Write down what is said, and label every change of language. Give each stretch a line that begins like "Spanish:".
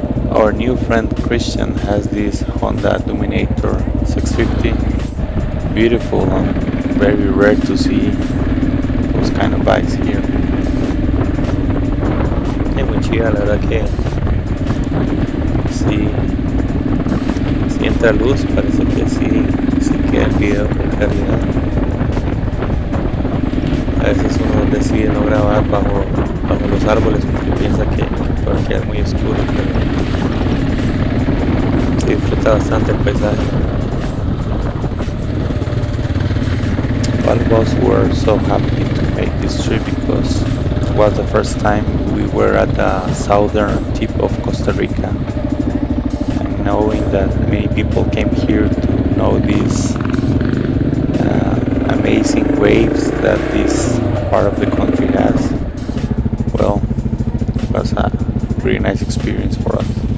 English: Our new friend Christian has this Honda Dominator 650. Beautiful and very rare to see those kind of bikes here.
Spanish: Es muy chida, la verdad que si entra luz, parece que sí queda el video con calidad. A veces uno decide no grabar bajo los árboles porque piensa que puede quedar muy oscuro, pero se disfruta bastante el paisaje.
English: All of us were so happy to make this trip because it was the first time we were at the southern tip of Costa Rica. And knowing that many people came here to know this amazing waves that this part of the country has, well, it was a pretty nice experience for us.